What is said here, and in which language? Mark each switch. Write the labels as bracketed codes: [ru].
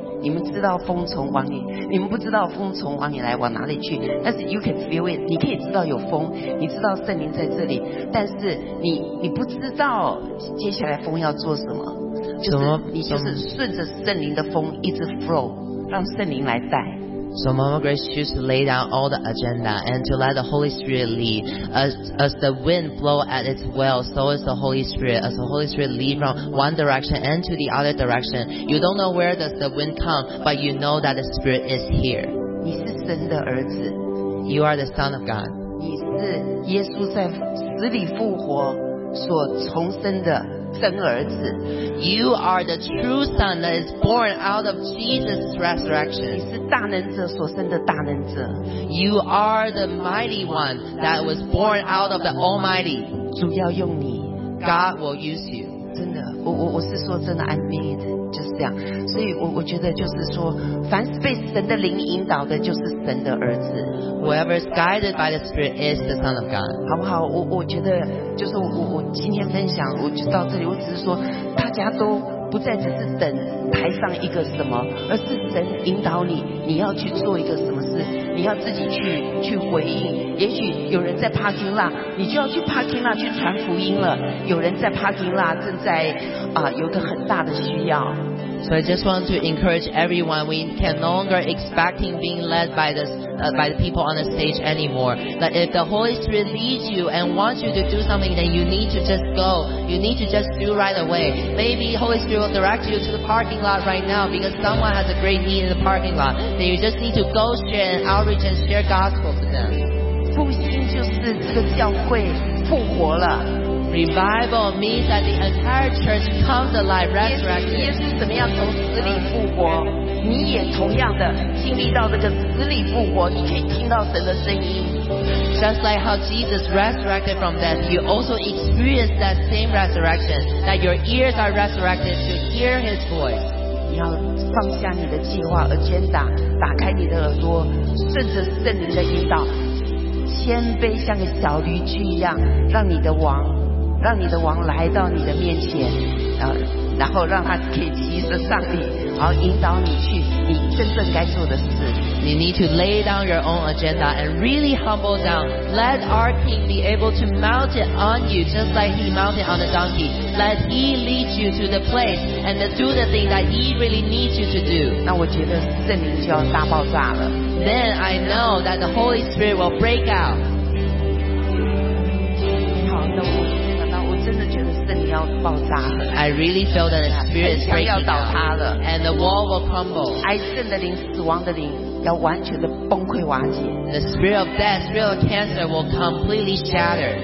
[zh] 你们知道风从往里，你们不知道风从往里来往哪里去，但是 [en] you can feel it， [zh] 你可以知道有风，你知道圣灵在这里，但是你不知道接下来风要做什么，就是你就是顺着圣灵的风一直 flow， 让圣灵来带。 [en] So Mama Grace choose to lay down all the agenda and to let the Holy Spirit lead. As the wind blow at its will, so is the Holy Spirit. As the Holy Spirit lead from one direction and to the other direction, you don't know where does the wind come, but you know that the Spirit is here. [zh] 你是神的儿子。 [en] You are the Son of God. [zh] 你是耶稣在死里复活所重生的。 [en] You are the true Son that is born out of Jesus' resurrection. [zh] 你是大能者所生的大能者。 [en] You are the mighty one that was born out of the Almighty. [zh] 主要用你。 [en] God will use you. [zh] 真的，我是说真的 ， [en] I mean it， [zh] 就是这样。所以我觉得就是说，凡是被神的灵引导的，就是神的儿子。 [en] Whoever is guided by the Spirit is the Son of God. [zh] 好不好？我觉得就是我今天分享，我就到这里。我只是说，大家都不再只是等台上一个什么，而是神引导你，你要去做一个什么事，你要自己去回应。也许有人在 parking lot， 你就要去 parking lot 去传福音了。有人在 parking lot 正在有个很大的需要。 [en] So I just want to encourage everyone, we can no longer expecting being led by by the people on the stage anymore. But if the Holy Spirit leads you and wants you to do something, then you need to just go. You need to just do right away. Maybe Holy Spirit will direct you to the parking lot right now because someone has a great need in the parking lot. Then you just need to go share and outreach and share gospel to them. [zh] 复兴就是这个教会复活了。 [en] Revival means that the entire church comes alive, resurrected. [zh] 耶稣怎么样从死里复活？你也同样的经历到这个死里复活，你可以听到神的声音。 [en] Just like how Jesus resurrected from death, you also experience that same resurrection. That your ears are resurrected to hear His voice. [zh] 你要放下你的计划 agenda， 打开你的耳朵，顺着圣灵的引导，谦卑像个小驴驹一样，让你的王，让你的王来到你的面前，然后让他可以骑着上帝，然后引导你去你真正该做的事。 [en] You need to lay down your own agenda and really humble down. Let our King be able to mount it on you, just like He mounted on a donkey. Let He lead you to the place and do the thing that He really needs you to do. [zh] 那我觉得圣灵就要大爆炸了。 [en] Then I know that the Holy Spirit will break out. [zh] 好的。真的觉得圣灵要爆炸了。 [en] I really feel that the spirit is breaking down. [zh] 要倒塌了。 [en] And the wall will crumble. [zh] 癌症的灵、死亡的灵要完全的崩溃瓦解。 [en] The spirit of death, spirit of cancer will completely shatter.